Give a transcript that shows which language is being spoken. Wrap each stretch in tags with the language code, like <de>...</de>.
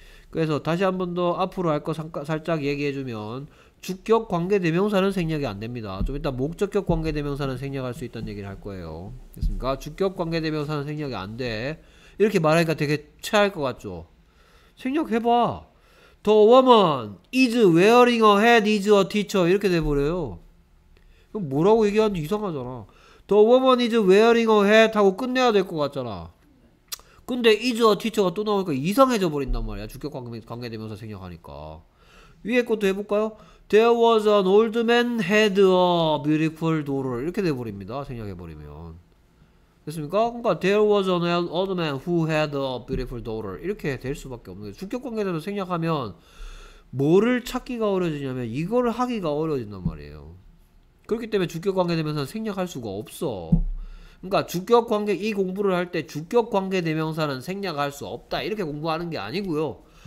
<ko>그래서 다시 한 번 더 앞으로 할 거 살짝 얘기해주면, 주격 관계대명사는 생략이 안 됩니다. 좀 이따 목적격 관계대명사는 생략할 수 있다는 얘기를 할 거예요. 됐습니까? 주격 관계대명사는 생략이 안 돼. 이렇게 말하니까 되게 체할 것 같죠? 생략해봐.</ko> <en>The woman is wearing a hat is a teacher.</en> <ko>이렇게 돼버려요. 그럼 뭐라고 얘기하는지 이상하잖아.</ko> <en>The woman is wearing a hat</en> <ko>하고 끝내야 될 것 같잖아. 근데</ko> <en>is a teacher</en> <ko>가 또 나오니까 이상해져 버린단 말이야. 주격 관계대명사 생략하니까. 위에 것도 해볼까요?</ko> <en>There was an old man had a beautiful daughter.</en> <ko>이렇게 돼버립니다. 생략해버리면. 됐습니까? 그러니까</ko> <en>There was an old man who had a beautiful daughter.</en> <ko>이렇게 될 수밖에 없는 거예요. 주격관계대로 생략하면 뭐를 찾기가 어려워지냐면 이거를 하기가 어려워진단 말이에요. 그렇기 때문에 주격관계대명사는 생략할 수가 없어. 그러니까 주격관계, 이 공부를 할 때 주격관계대명사는 생략할 수 없다. 이렇게 공부하는 게 아니고요.</ko>